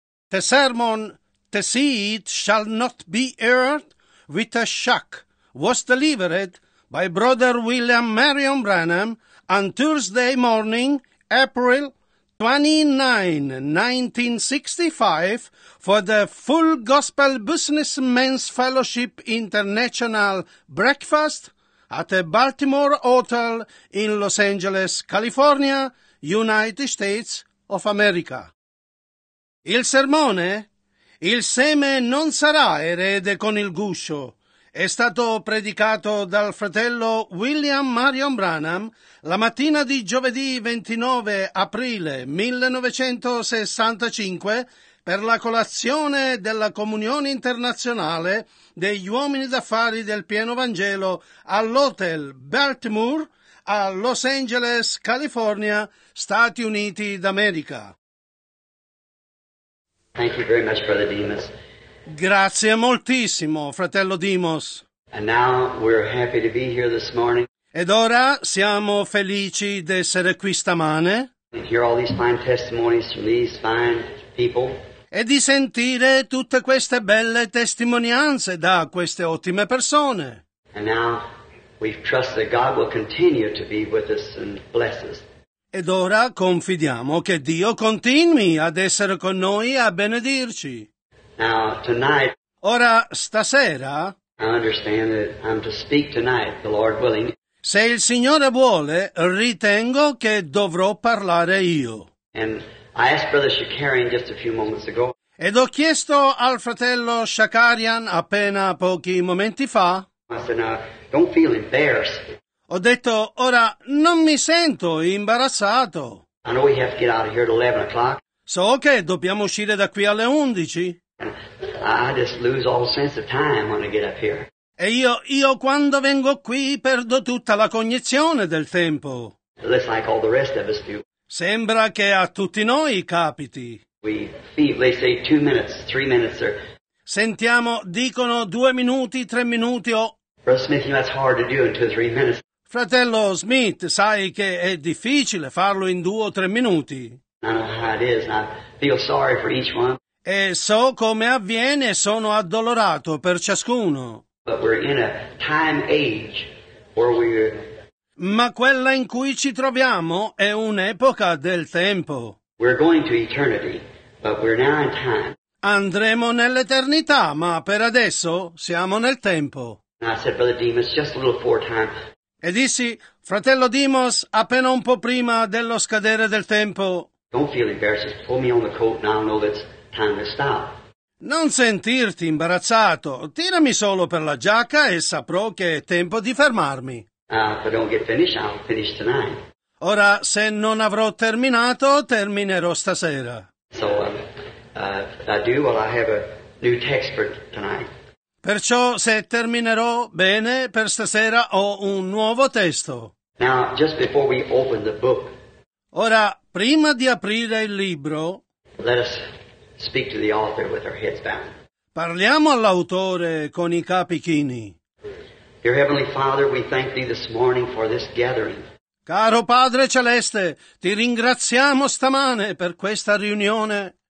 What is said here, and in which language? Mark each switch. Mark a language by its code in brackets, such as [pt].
[en] Her sermon, "The Seed Shall Not Be Heard with a Shock," was delivered by Brother William Marion Branham on Thursday morning, April 29, 1965, for the Full Gospel Businessmen's Fellowship International Breakfast at a Baltimore hotel in Los Angeles, California, United States of America. [it] Il sermone, "Il seme non sarà erede con il guscio," è stato predicato dal fratello William Marion Branham la mattina di giovedì 29 aprile 1965 per la colazione della Comunione Internazionale degli Uomini d'Affari del Pieno Vangelo all'Hotel Baltimore a Los Angeles, California, Stati Uniti d'America. [en] Thank you very much, Brother Demas. [it] Grazie moltissimo, fratello Demas. [en] And now we're happy to be here this morning. [it] Ed ora siamo felici di essere qui stamane. [en] And hear all these fine testimonies from these fine people. [it] E di sentire tutte queste belle testimonianze da queste ottime persone. [en] And now we trust that God will continue to be with us and bless us. [it] Ed ora confidiamo che Dio continui ad essere con noi a benedirci. [en] Now, tonight, [it] ora, stasera, [en] I understand that I'm to speak tonight, the Lord willing. [it] Se il Signore vuole, ritengo che dovrò parlare io. [en] And I asked Brother Shakarian just a few moments ago. [it] Ed ho chiesto al fratello Shakarian appena pochi momenti fa. [en] I said, no, don't feel embarrassed. [it] Ho detto, ora non mi sento imbarazzato. [en] I know we have to get out of here at 11 o'clock. [it] So che dobbiamo uscire da qui alle 11. [en] I just lose all sense of time when I get up here. [it] E io quando vengo qui perdo tutta la cognizione del tempo. [en] It looks like all the rest of us do. [it] Sembra che a tutti noi capiti. [en] We feel, they say 2 minutes, 3 minutes, sir. [it] Sentiamo, dicono 2 minuti, 3 minuti o... [en] Brother Smith, that's hard to do in 2 or 3 minutes. [it] Fratello Smith, sai che è difficile farlo in 2 o 3 minuti. [en] I know how it is. I feel sorry for each one. [it] E so come avviene, sono addolorato per ciascuno. [en] But we're in a time age where we... [it] Ma quella in cui ci troviamo è un'epoca del tempo. [en] We're going to eternity, but we're now in time. [it] Andremo nell'eternità, ma per adesso siamo nel tempo. [en] And I said, Brother Demas, just a little four times. [it] E dissi, fratello Demas, appena un po' prima dello scadere del tempo. [en] Don't feel embarrassed. Just pull me on the coat and I'll know that it's time to stop. [it] Non sentirti imbarazzato. Tirami solo per la giacca e saprò che è tempo di fermarmi. [en] If I don't get finished, I'll finish tonight. [it] Ora, se non avrò terminato, terminerò stasera. [en] So, I do, well, I have a new text for tonight. [it] Perciò, se terminerò bene per stasera, ho un nuovo testo. [en] Now, just before we open the book, [it] ora, prima di aprire il libro, [en] let us speak to the author with our heads bowed. [it] Parliamo all'autore con i capi chini. [en] Dear Heavenly Father, we thank Thee this morning for this gathering. [it] Caro Padre Celeste, ti ringraziamo stamane per questa riunione.